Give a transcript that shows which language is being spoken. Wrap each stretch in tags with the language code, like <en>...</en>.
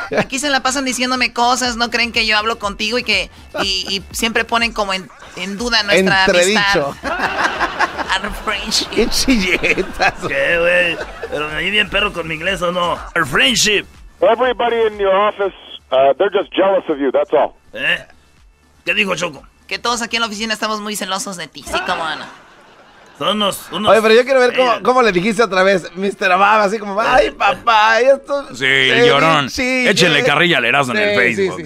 <es>Aquí se la pasan diciéndome cosas, no creen que yo hablo contigo y que y siempre ponen como en duda nuestra Entredicho. Amistad.</es> <en>Our friendship.</en> <es>Qué chilletas. Qué güey. Pero me di bien perro con mi inglés o no.</es> <en>Our friendship. Everybody in your office, they're just jealous of you, that's all.</en> <es>¿Eh? ¿Qué dijo Choco? Que todos aquí en la oficina estamos muy celosos de ti, sí, cómo no. Son unos. Oye, pero yo quiero ver cómo le dijiste otra vez, Mr. Obama, así como, ay, papá, esto. Sí, llorón. Sí, échenle carrilla al Erasmo en el Facebook.</es>